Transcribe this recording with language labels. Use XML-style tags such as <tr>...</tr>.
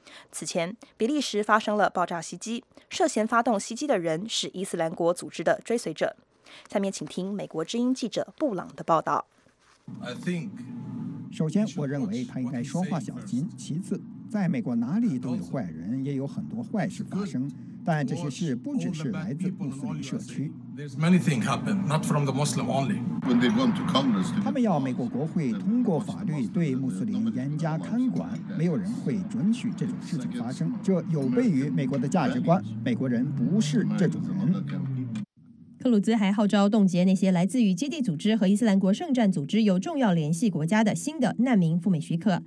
<zh>此前，比利时发生了爆炸袭击，涉嫌发动袭击的人是伊斯兰国组织的追随者。下面请听美国之音记者布朗的报道。首先，我认为他应该说话小心。其次，在美国哪里都有坏人，也有很多坏事发生，但这些事不只是来自穆斯林社区。</zh> <en>There's many things happen, not from the Muslim only. When they want to Congress,</en> <zh>他们要美国国会通过法律对穆斯林严加看管，没有人会准许这种事情发生。这有悖于美国的价值观，美国人不是这种人。克鲁兹还号召冻结那些来自于基地组织和伊斯兰国圣战组织有重要联系国家的新的难民赴美许可。</zh>